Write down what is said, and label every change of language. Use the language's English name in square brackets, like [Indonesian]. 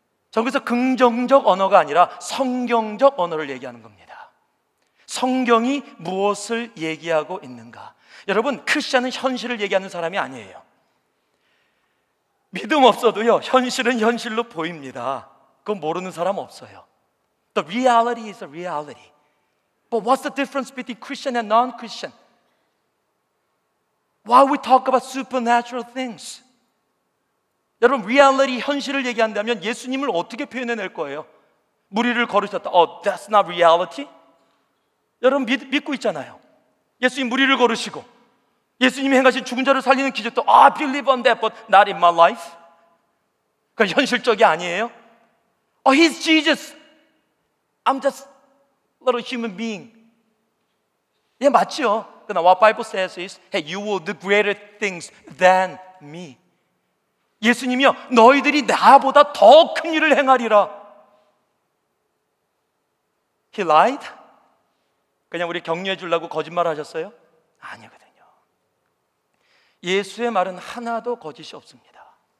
[Korean] 저기서 긍정적 언어가 아니라 성경적 언어를 얘기하는 겁니다. 성경이 무엇을 얘기하고 있는가? 여러분, 크리스천은 현실을 얘기하는 사람이 아니에요. 믿음 없어도요, 현실은 현실로 보입니다. 그건 모르는 사람 없어요. [English] The reality is a reality. But what's the difference between Christian and non-Christian? Why we talk about supernatural things? [Korean] 여러분, reality, 현실을 얘기한다면 예수님을 어떻게 표현해낼 거예요? 물 위를 걸으셨다. [English] Oh, that's not reality? [Korean] 여러분 믿고 있잖아요. 예수님 물 위를 걸으시고 예수님이 행하신 죽은 자를 살리는 기적도 [English] I believe on that but not in my life. [Korean] 그 현실적이 아니에요. [English] Oh, he's Jesus. I'm just a little human being. [Korean] 예, 맞죠. [English] 그러나 what Bible says is hey, you will do greater things than me. [Korean] 예수님이요, 너희들이 나보다 더 큰 일을 행하리라. [English] He lied? [Korean] 그냥 우리 격려해 주려고 거짓말 하셨어요? 아니거든요. 예수의 말은 하나도 거짓이 없습니다.